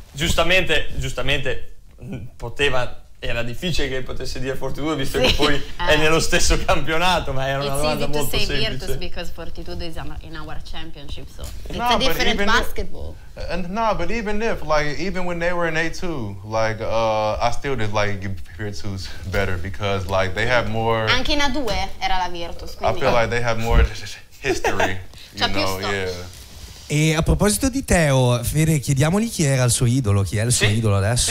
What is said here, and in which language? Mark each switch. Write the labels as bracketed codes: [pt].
[it] giustamente poteva, era difficile che potesse dire fortitudo, visto sì, che poi è nello stesso campionato, ma era una domanda molto semplice. [en] It's easy to say Virtus because fortitudo is in our championship, so it's a different basketball. But even when they were in A2, like I still did like Virtus better because like they have more. [it] Anche in A2 era la Virtus. Quindi. [en] I feel like they have more history, you know? Yeah. [it] E a proposito di Teo, Fede, chiediamogli chi era il suo idolo, chi è il suo idolo adesso?